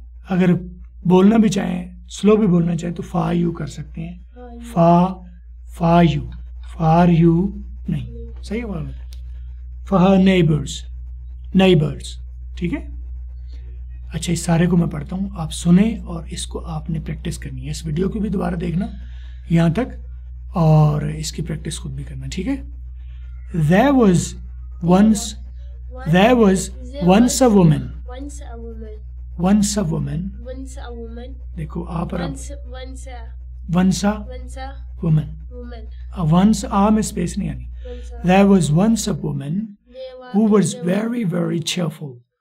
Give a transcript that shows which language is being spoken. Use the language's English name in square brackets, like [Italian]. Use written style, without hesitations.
[Hindi] अगर बोलना भी चाहें, स्लो भी बोलना चाहें तो फॉर यू कर सकते हैं, फा फा यू, फॉर यू नहीं, सही है बात। फॉर नेबर्स, नेबर्स, ठीक है। अच्छा इस सारे को मैं पढ़ता हूँ, आप सुने और इसको आपने प्रैक्टिस करनी है, इस वीडियो को भी दोबारा देखना यहां तक और इसकी प्रैक्टिस खुद भी करना, ठीक है। [English] There was once, there was once a woman, once a woman, once a woman, once a woman, [Hindi] देखो आप [English] once, [Hindi] आप [English] once a, once a, once a woman, woman, [Hindi] a once a में स्पेस नहीं आनी। [English] There was once a woman who was very very cheerful,